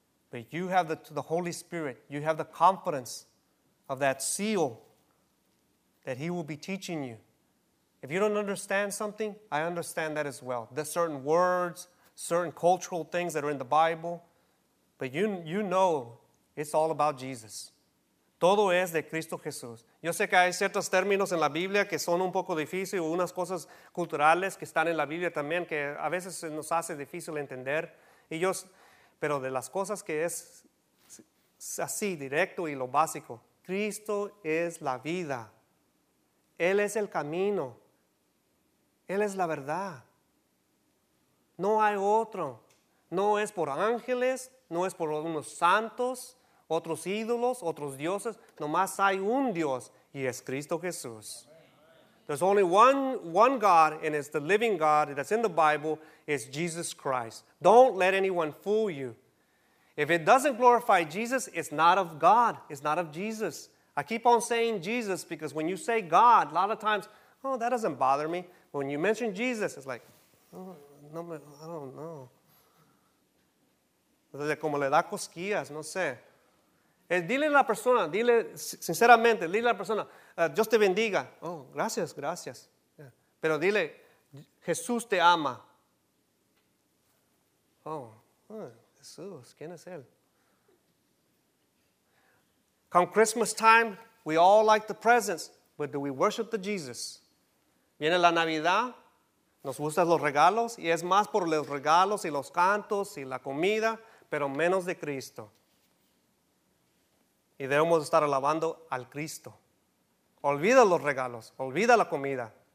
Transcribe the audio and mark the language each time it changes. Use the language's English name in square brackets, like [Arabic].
[English] But you have the Holy Spirit. You have the confidence of that seal that he will be teaching you. If you don't understand something, I understand that as well. There's certain words, certain cultural things that are in the Bible. But you know It's all about Jesus. [Spanish] Todo es de Cristo Jesús. Yo sé que hay ciertos términos en la Biblia que son un poco difíciles, o unas cosas culturales que están en la Biblia también que a veces nos hace difícil entender. Y yo, pero de las cosas que es así, directo y lo básico, Cristo es la vida. Él es el camino. Él es la verdad. No hay otro. No es por ángeles, no es por unos santos, otros ídolos, otros dioses. Nomás hay un Dios y es Cristo Jesús. [English] There's only one God, and it's the living God that's in the Bible. It's Jesus Christ. Don't let anyone fool you. If it doesn't glorify Jesus, it's not of God. It's not of Jesus. I keep on saying Jesus because when you say God, a lot of times, oh, that doesn't bother me. But when you mention Jesus, it's like, oh, no, I don't know. [Spanish] Como le da cosquillas, no sé. Dile a la persona, dile sinceramente, dile a la persona, Dios te bendiga. Oh, gracias, gracias. Yeah. Pero dile, Jesús te ama. Oh, Jesús, ¿quién es él? [English] Come Christmas time, we all like the presents, but do we worship the Jesus? [Spanish] Viene la Navidad, nos gustan los regalos, y es más por los regalos y los cantos y la comida, pero menos de Cristo. Y debemos estar alabando al Cristo. Olvida los regalos, olvida la comida.